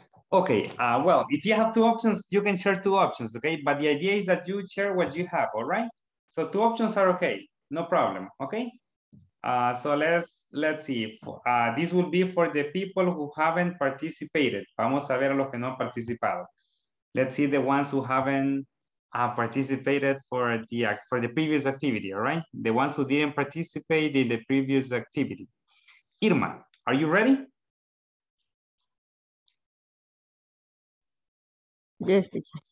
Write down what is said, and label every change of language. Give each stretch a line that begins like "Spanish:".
English: Okay, well, if you have 2 options, you can share 2 options, okay? But the idea is that you share what you have, all right? So 2 options are okay, no problem, okay? So let's see, this will be for the people who haven't participated.
Spanish: Vamos a ver a los que no han participado.
English: Let's see the ones who haven't participated for the previous activity, all right? The ones who didn't participate in the previous activity. Irma, are you ready? Yes, teacher.